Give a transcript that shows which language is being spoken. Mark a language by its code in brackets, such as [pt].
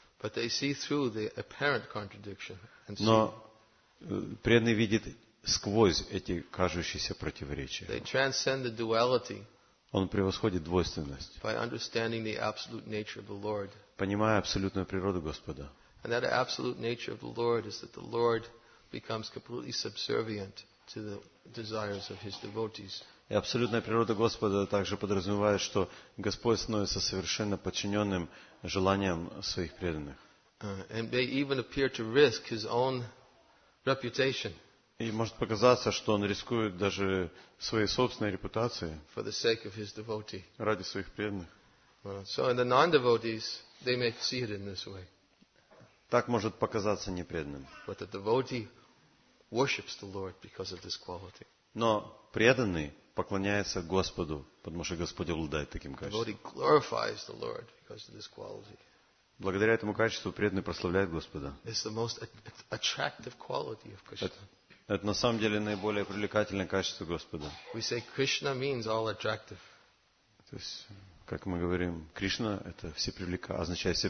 [en] But they see through the apparent contradiction and see. [ru] Но преданный видит сквозь эти кажущиеся противоречия. [en] They transcend the duality. [ru] Он превосходит двойственность. [en] By understanding the absolute nature of the Lord. [ru] Понимая абсолютную природу Господа. [en] And that absolute nature of the Lord is that the Lord becomes completely subservient to the desires of his devotees. [ru] И абсолютная природа Господа также подразумевает, что Господь становится совершенно подчиненным желаниям своих преданных. [en] And they even appear to risk his own reputation. [ru] И может показаться, что он рискует даже своей собственной репутацией [en] for the sake of his devotee. [ru] Ради своих преданных. [en] So in the non-devotees, they may see it in this way. [ru] Так может показаться непреданным. [en] But the devotee worships the Lord because of this quality. [ru] Но преданный поклоняется Господу, потому что Господь обладает таким качеством. [en] The devotee glorifies the Lord because of this quality. [ru] Благодаря этому качеству преданный прославляет Господа. [en] It's the most attractive quality of Krishna. [ru] Это на самом деле наиболее привлекательное качество Господа. [en] We say Krishna means all attractive. [ru] То есть как мы говорим, Кришна – это все означает все